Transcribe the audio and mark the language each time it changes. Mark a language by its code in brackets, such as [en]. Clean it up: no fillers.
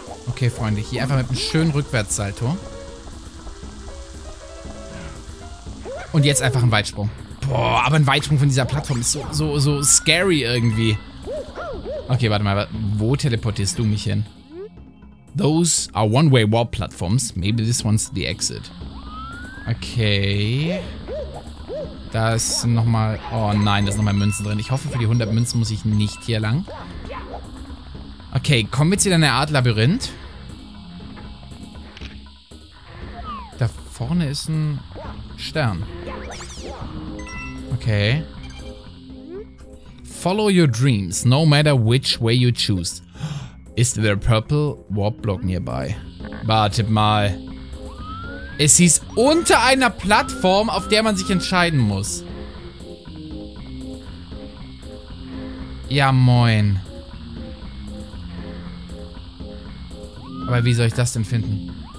[de] Okay, Freunde, hier einfach mit einem schönen Rückwärtssalto. Und jetzt einfach ein Weitsprung. Boah, aber ein Weitsprung von dieser Plattform ist so scary irgendwie. Okay, warte mal, wo teleportierst du mich hin? [en] Those are one-way warp platforms. Maybe this one's the exit. [de] Okay. Da ist nochmal... Oh nein, da sind nochmal Münzen drin. Ich hoffe, für die 100 Münzen muss ich nicht hier lang. Okay, kommen wir jetzt hier in eine Art Labyrinth. Da vorne ist ein Stern. Okay. [en] Follow your dreams, no matter which way you choose. Is there a purple warp block nearby? [de] Wartet mal. Es hieß unter einer Plattform, auf der man sich entscheiden muss. Ja, moin. Aber wie soll ich das denn finden?